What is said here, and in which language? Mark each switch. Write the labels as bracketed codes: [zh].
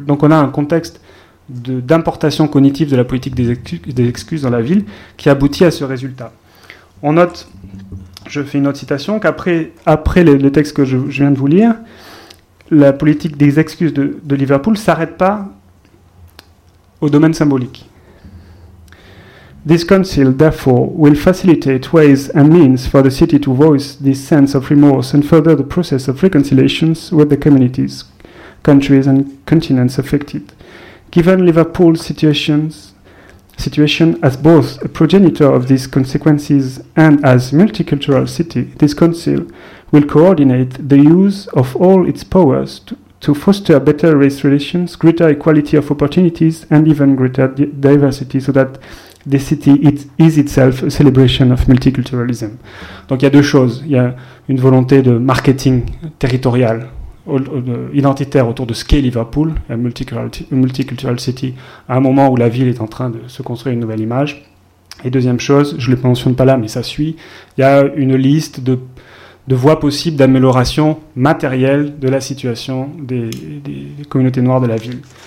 [fr] Donc on a un contexte d'importation cognitive de la politique des excuses dans la ville qui aboutit à ce résultat. On note, je fais une autre citation, qu'après le texte que je viens de vous lire, la politique des excuses de Liverpool ne s'arrête pas au domaine symbolique. [en] This council, therefore, will facilitate ways and means for the city to voice this sense of remorse and further the process of reconciliations with the communities, countries and continents affected. Given Liverpool's situation as both a progenitor of these consequences and as multicultural city, this council will coordinate the use of all its powers to foster better race relations, greater equality of opportunities, and even greater diversity, so that the city is itself a celebration of multiculturalism. [fr] Donc il y a deux choses. Il y a une volonté de marketing territorial, identitaire autour de ce qu'est Liverpool, la [en] multicultural city, [fr] à un moment où la ville est en train de se construire une nouvelle image. Et deuxième chose, je ne le mentionne pas là, mais ça suit, il y a une liste de voies possibles d'amélioration matérielle de la situation des communautés noires de la ville.